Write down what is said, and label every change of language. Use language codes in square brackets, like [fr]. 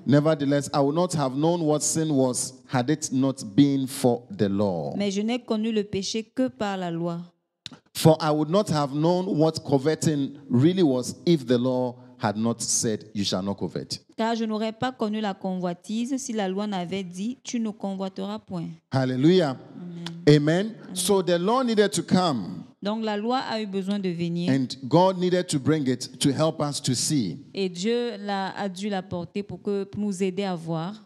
[en] Nevertheless, I would not have known what sin was had it not been for the law. [fr] Mais je n'ai connu le péché que par la loi. [en] For I would not have known what coveting really was if the law had not said, you shall not covet. [fr] Car je n'aurais pas connu la convoitise si la loi n'avait dit, tu ne convoiteras point. [en] Hallelujah. Amen. Amen. So the law needed to come. [fr] Donc la loi a eu besoin de venir. [en] And God needed to bring it to help us to see. [fr] Et Dieu a dû la porter pour que nous aider à voir.